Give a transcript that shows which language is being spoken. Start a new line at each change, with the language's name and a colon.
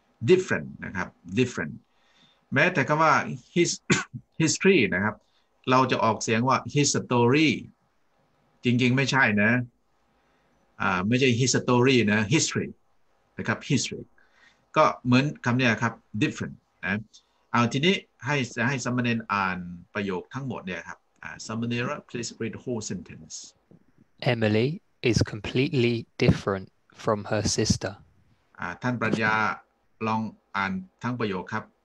Thai: Different นะครับ Different. แม้แต่คำว่า history นะครับเราจะออกเสียงว่า history จริงๆไม่ใช่นะไม่ใช่ history นะ history นะครับ history ก็เหมือนคำนี้ครับ different นะเอาทีนี้ให้สัมมาเนอ่านประโยคทั้งหมดเนี่ยครับสัมมาเนระ
English: please read the whole sentence Emily is completely different from her sister
Thai: ท่านปรัชญาลองอ่านทั้งประโยคครับ